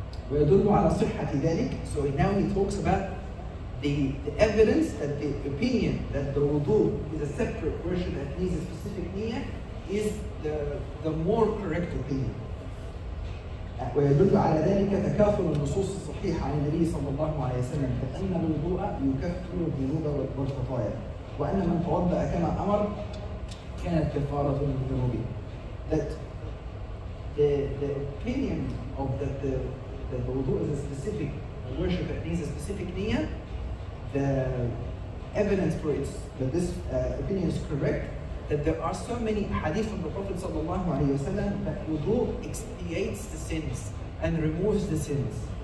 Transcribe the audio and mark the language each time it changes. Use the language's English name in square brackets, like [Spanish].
[Arabic] ويدل على صحة ذلك. [English] So now he talks about the evidence that the opinion that the wudu is a separate version that needs a specific niyyah is the more correct opinion. [Arabic] ويدل على ذلك تكافر النصوص الصحيحة عن النبي صلى الله عليه وسلم أن الوضوء يكفر الذنوب والخطايا وأن من توضأ كما أمر كانت كفارة للذنوب. [English] That the opinion of that the wudu is a specific worship that needs a specific niyyah, the evidence for it, that this opinion is correct, that there are so many hadith from the Prophet sallallahu alaihi wasallam that wudu expiates the sins and removes the sins.